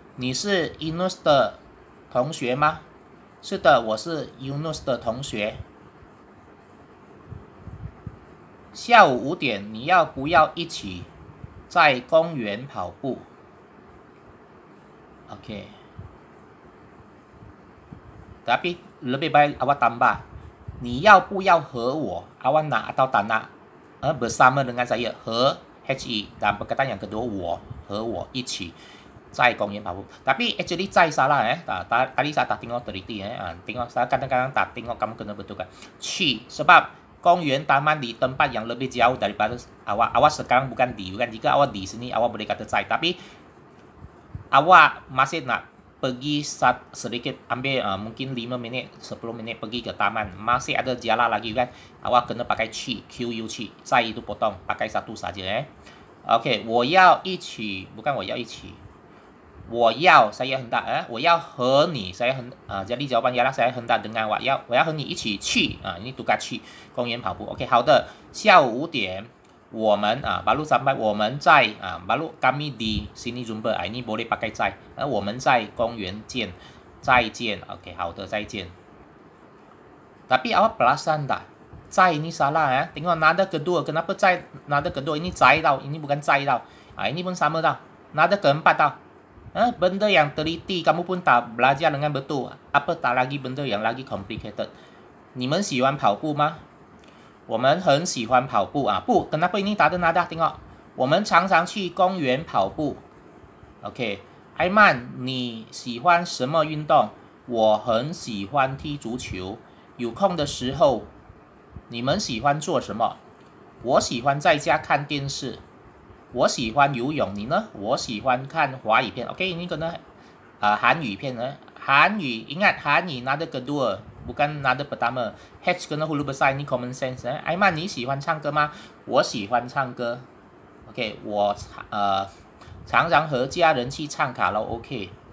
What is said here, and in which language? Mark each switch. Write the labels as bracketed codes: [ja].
[zh] 你是 Yunus 的同学吗?是的, 我是 Yunus 的同学。下午5点, 你要不要一起在公园跑步? [en] OK. [ms] Tapi, lebih baik awak tambah. [zh] 你要不要和我? [ms] Awak nak atau tak nak? Bersama dengan saya. [zh] 和, H-E. [ms] Dan perkataan yang kedua, [zh] 我, 和我, 一起. 在公园跑步. [ms] Tapi, actually, 在 salah. Tadi saya tak tengok teliti. Tengok, saya kadang-kadang tak tengok kamu kena betulkan. 去, sebab, 公园, taman di tempat yang lebih jauh daripada awak. Awak sekarang bukan di, bukan? Jika awak di sini, awak boleh kata 在. Tapi, awak masih nak pergi sedikit, ambil mungkin 5 minit, 10 minit pergi ke taman. Masih ada jalan lagi kan? Awak kena pakai 去, QU 去. 在 itu potong, pakai satu saja. [zh] Ok, 我要一起, [ms] bukan [zh] 我要一起. 我要, [ms] saya hendak. [zh] 我要和你, [ms] saya hendak. Jadi jawapan ialah saya hendak dengan awak. [zh] 我要和你一起去, [ms] ini tukar [zh] 去, 公园跑步. Ok, 好的, 下午5点. 我们, [ms] baru sampai, [zh] 我们在, [ms] baru kami di sini jumpa, ini boleh pakai [zh] 在, 我们在公园见, 再见, ok, 好的, 再见. [ms] Tapi awak perasan tak? 在 ini salah, tengok, nada kedua, kenapa 在, nada kedua, ini 在 tau, ini bukan 在 tau, ini pun sama tau, nada keempat tau, benda yang teliti, kamu pun tak belajar dengan betul, apa tak lagi benda yang lagi complicated. [zh] 你们喜欢跑步吗? 我们很喜欢跑步, 不, [ms] kenapa ini tak ada nada, tengok. [zh] 我们常常去公园跑步. Ok, Aiman, 你喜欢什么运动? 我很喜欢踢足球.有空的时候, 你们喜欢做什么? 我喜欢在家看电视.我喜欢游泳, 你呢? 我喜欢看华语片. [ms] Ok, ini kena 韩语片, 韩语, ingat, 韩语, nada kedua. Bukan nada pertama. H kena hulu besar, ini common sense. [zh] Aiman, 你喜欢唱歌吗?我喜欢唱歌.Ok, 我, 常常和家人去唱卡咯, ok.